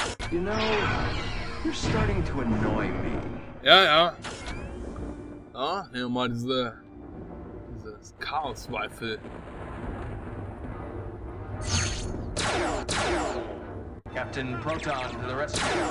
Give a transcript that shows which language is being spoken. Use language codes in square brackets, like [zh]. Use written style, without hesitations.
[en] You know, you're starting to annoy me. [de] Ja, ja. Ja, nehmen wir mal diese Chaos-Zweifel. [en] Captain Proton to the rescue.